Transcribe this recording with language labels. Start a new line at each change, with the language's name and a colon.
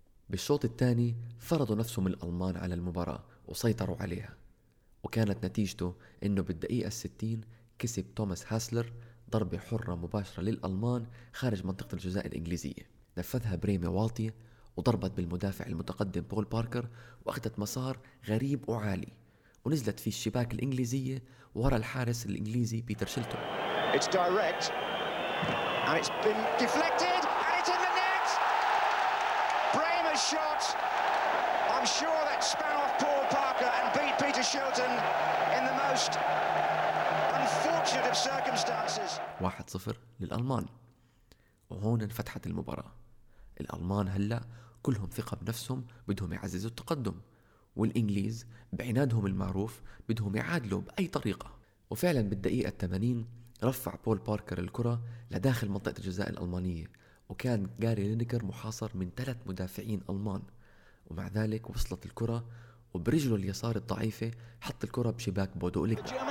Arabic: بالشوط الثاني فرضوا نفسهم الألمان على المباراة وسيطروا عليها، وكانت نتيجته أنه بالدقيقة الستين كسب توماس هاسلر ضربة حرة مباشرة للألمان خارج منطقة الجزاء الإنجليزية، نفذها بريمي والتي وضربت بالمدافع المتقدم بول باركر واخذت مسار غريب وعالي ونزلت في الشباك الإنجليزية وراء الحارس الإنجليزي بيتر شيلتون.
English: It's direct and it's been deflected and it's in the net. Bremer's shot. I'm sure that span off Paul Parker and beat Peter Shilton in the most unfortunate of circumstances.
Arabic: 1-0 للألمان. وهون انفتحت المباراة. الألمان هلا كلهم ثقة بنفسهم بدهم يعززوا التقدم. والإنجليز بعنادهم المعروف بدهم يعادلوا بأي طريقة. وفعلا بالدقيقة 80 رفع بول باركر الكرة لداخل منطقة الجزاء الألمانية وكان جاري لينكر محاصر من 3 مدافعين ألمان، ومع ذلك وصلت الكرة وبرجله اليسار الضعيفة حط الكرة بشباك بودو أوليكا.